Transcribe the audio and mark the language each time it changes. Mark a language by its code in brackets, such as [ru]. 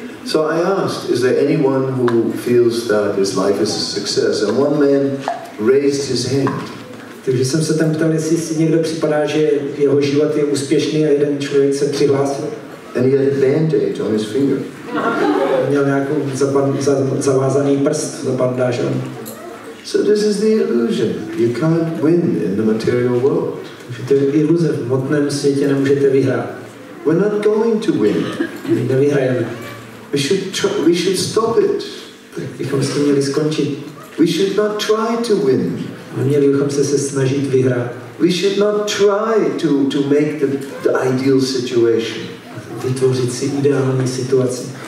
[en] So I asked, is there anyone who feels that his life is a success? And one man raised his hand. [cs] Takže jsem se tam ptal, jestli si někdo připadá, že jeho život je úspěšný, a jeden člověk se přihlásil. [en] And he had a band-aid on his finger. [cs] Měl nějakou zavázaný prst, zabandáž. [en] So this is the illusion. You can't win in the material world. [cs] Takže to je iluze. V hmotném světě nemůžete vyhrát. [en] We're not going to win. [cs] Nevyhrajeme. [en] We should stop it. [cs] Tak bychom s tím měli skončit. [en] We should not try to win. [cs] Měli bychom se snažit vyhrát. [en] We should not try to make the ideal situation. [cs] Vytvořit si ideální situaci.